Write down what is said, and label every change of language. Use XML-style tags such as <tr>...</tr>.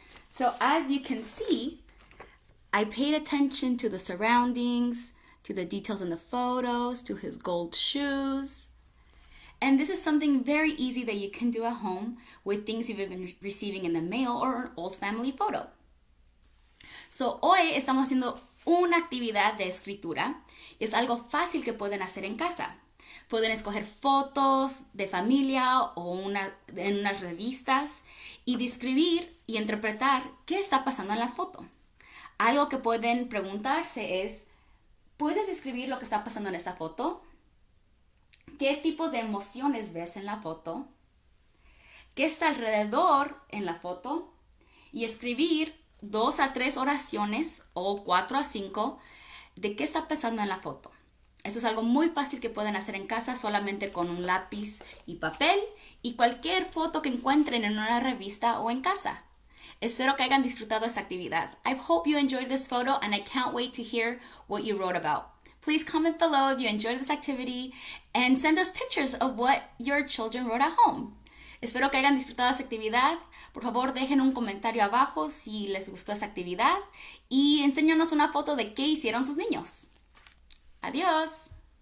<en>So, as you can see, I paid attention to the surroundings, to the details in the photos, to his gold shoes. And this is something very easy that you can do at home with things you've been receiving in the mail or an old family photo.</en> <es>So, hoy estamos haciendo una actividad de escritura. Es algo fácil que pueden hacer en casa. Pueden escoger fotos de familia o en unas revistas y describir y interpretar qué está pasando en la foto. Algo que pueden preguntarse es, ¿puedes describir lo que está pasando en esta foto? ¿Qué tipos de emociones ves en la foto? ¿Qué está alrededor en la foto? Y escribir 2 a 3 oraciones o 4 a 5 de qué está pasando en la foto. Eso es algo muy fácil que pueden hacer en casa solamente con un lápiz y papel y cualquier foto que encuentren en una revista o en casa. Espero que hayan disfrutado esta actividad.</es> <en>I hope you enjoyed this photo and I can't wait to hear what you wrote about. Please comment below if you enjoyed this activity and send us pictures of what your children wrote at home.</en> <es>Espero que hayan disfrutado esta actividad. Por favor, dejen un comentario abajo si les gustó esta actividad y enséñanos una foto de qué hicieron sus niños. Adiós.</es>